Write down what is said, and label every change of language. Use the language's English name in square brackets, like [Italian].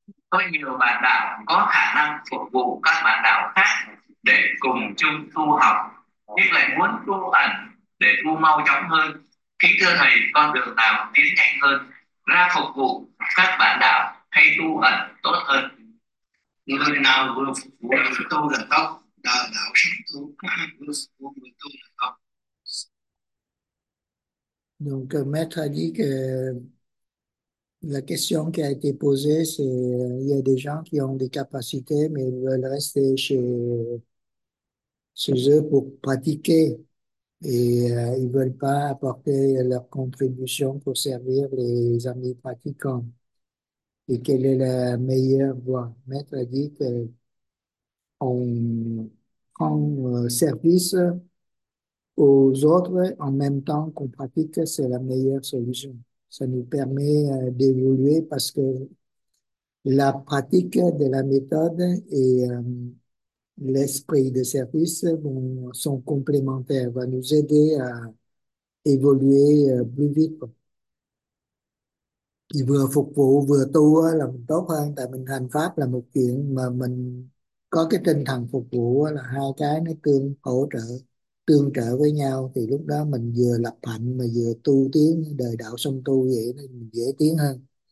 [Vietnamese] Có nhiều bạn đạo có khả năng phục vụ các bạn đạo khác để cùng chung tu học, nhưng lại muốn tu ẩn để tu mau chóng hơn. Kính thưa thầy, con đường nào tiến nhanh hơn, ra phục vụ các bạn đạo hay tu ẩn tốt hơn? Người nào vừa phục vụ người tu là tốt, đạo sinh tu vừa phục vụ người tu là tốt. [French] Donc, Maître a dit que la question qui a été posée, c'est il y a des gens qui ont des capacités, mais ils veulent rester chez eux pour pratiquer et ils veulent pas apporter leur contribution pour servir les amis pratiquants. Et quelle est la meilleure voie? Maître a dit que on prend service aux autres en même temps qu'on pratique, c'est la meilleure solution. Ça nous permet d'évoluer parce que la pratique de la méthode et l'esprit de service sont complémentaires, vont nous aider à évoluer plus vite. [Vietnamese] Thì vừa phục vụ vừa tu là mình tốt hơn, tại mình hành pháp là một chuyện mà mình có cái tinh thần phục vụ, là hai cái nó tương hỗ trợ, tương trợ với nhau, thì lúc đó mình vừa lập hạnh mà vừa tu tiến đời đạo song tu, vậy nó dễ tiến hơn.